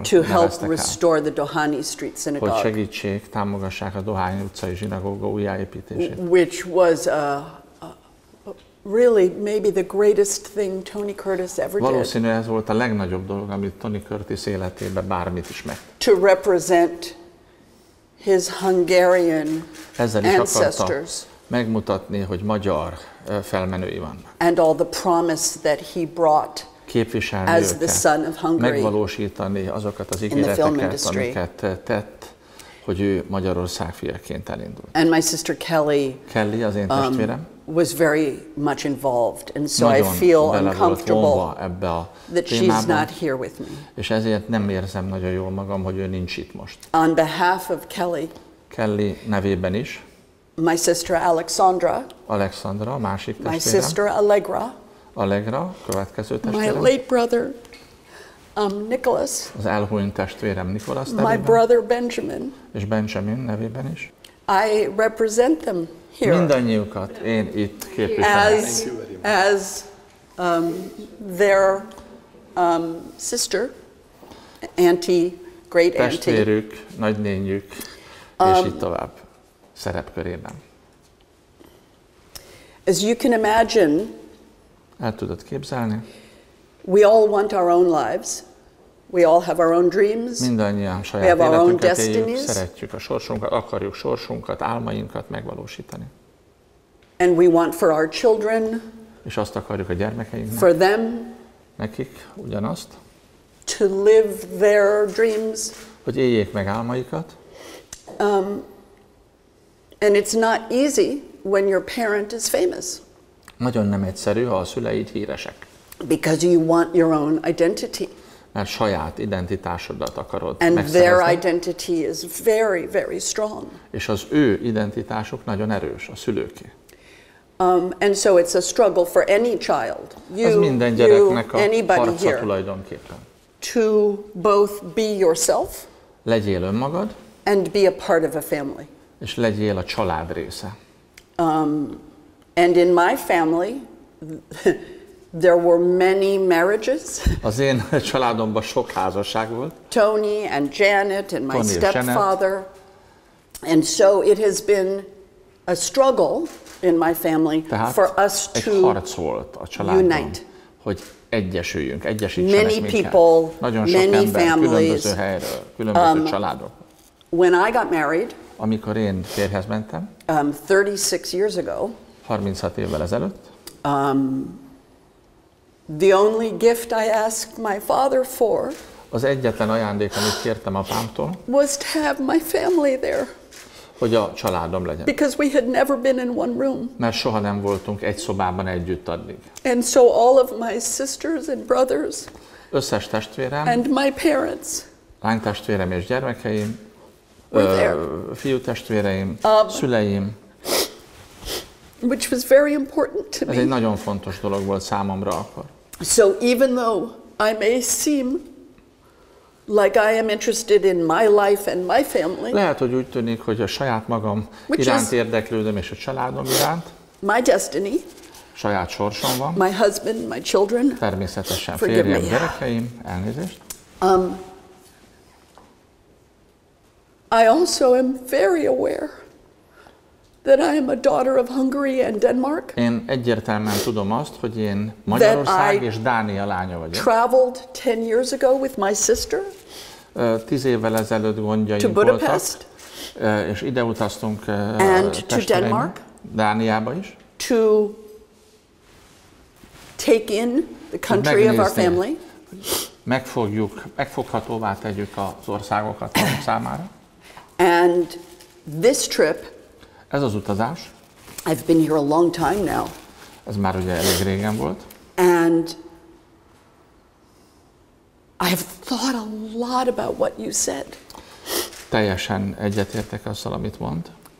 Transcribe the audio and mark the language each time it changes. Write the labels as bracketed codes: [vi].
[en] to help restore the Dohány Street Synagogue, [hu] hogy segítsék, támogassák a Dohány utcai zsinagóga újjáépítését, [en] which was really maybe the greatest thing Tony Curtis ever did. [hu] Valószínűleg ez volt a legnagyobb dolog, amit Tony Curtis életében bármit is meg. [en] To represent his Hungarian ancestors. [hu] Megmutatni, hogy magyar felmenői vannak. [en] And all the promise that he brought as the son of Hungary. [hu] Megvalósítani azokat az ígéreteket, amiket tett, hogy ő Magyarország fiaként elindult. [en] And my sister Kelly. [hu] Kelly az én testvérem. [en] Was very much involved, and so I feel uncomfortable that she's not here with me. [hu] És ezért nem érzem nagyon jól magam, hogy ő nincs itt most. [en] On behalf of Kelly. [hu] Kelly nevében is. [en] My sister Alexandra. [hu] Alexandra, a másik testvérem. [en] My sister Allegra. [hu] Allegra, következő testvérem. [en] My late brother, Nicholas. [hu] Az elhunyt testvérem Nicholas nevében. [en] My brother Benjamin. [hu] És Benjamin nevében is. [en] I represent them. Here. [hu] Mindannyiukat én itt képviselem. [en] As their sister, auntie, great auntie. [hu] Testvérük, nagynényük, és így tovább szerepkörében. [en] As you can imagine, [hu] el tudod képzelni? [en] We all want our own lives. We all have our own dreams. [hu] Mindannyian saját életünket éljük, [en] destinies. [hu] Szeretjük a sorsunkat, akarjuk sorsunkat, álmainkat megvalósítani. [en] And we want for our children, [hu] és azt akarjuk a gyermekeinknek, [en] for them, [hu] nekik ugyanazt, [en] to live their dreams, [hu] hogy éljék meg álmaikat. [en] And it's not easy when your parent is famous. [hu] Nagyon nem egyszerű, ha a szüleid híresek. [en] Because you want your own identity. [hu] Mert saját identitásodat akarod and megszerezni. [en] Their identity is very, very strong. És az ő identitásuk nagyon erős, a szülőké. And so it's a struggle for any child, anybody here, to both be yourself, [hu] legyél önmagad, [en] and be a part of a family. [hu] És legyél a család része. [en] And in my family, there were many marriages. [hu] Az én családomban sok házasság volt. [en] Tony and Janet and my stepfather. And so it has been a struggle in my family for us to [hu] harc volt a családban, [en] unite. [hu] Hogy egyesüljünk, egyesítsenek minket. [en] Many people, [hu] nagyon sok [en] many [hu] ember, [en] families. [hu] Különböző helyről, különböző családok. [en] When I got married, [hu] amikor én férjhez mentem, [en] 36 years ago, [hu] 36 évvel ezelőtt, [en] the only gift I asked my father for, [hu] az egyetlen ajándék, amit kértem apámtól, [en] was to have my family there. [hu] Hogy a családom legyen. [en] Because we had never been in one room. [hu] Mert soha nem voltunk egy szobában együtt addig. [en] And so all of my sisters and brothers, [hu] összes testvérem, [en] and my parents, [hu] lány testvérem és gyermekeim, fiú testvéreim, szüleim, [en] which was very important to me. [hu] Ez egy nagyon fontos dolog volt számomra akkor. [en] So even though I may seem like I am interested in my life and my family. [hu] Lehet, hogy úgy tűnik, hogy a saját magam iránt érdeklődöm és a családom iránt. [en] My destiny. [hu] Saját sorsom van. [en] My husband, my children. [hu] Természetesen férjem, gyerekeim, elnézést. [en] I also am very aware that I am a daughter of Hungary and Denmark. [hu] Én egyértelműen tudom azt, hogy én Magyarország és Dánia lánya vagyok. [en] Traveled 10 years ago with my sister. [hu] 10 évvel ezelőtt gondjaim voltak. [en] To Budapest. [hu] És ide utaztunk [en] and to Denmark. [hu] Dániába is. [en] To take in the country of our family. [hu] Megfoghatóvá tegyük az országokat számára. [en] And this trip. [hu] Ez az utazás. [en] I've been here a long time now. [hu] Ez már ugye elég régen volt. [en] And I have thought a lot about what you said. [hu] Teljesen egyetértek azzal, amit mond.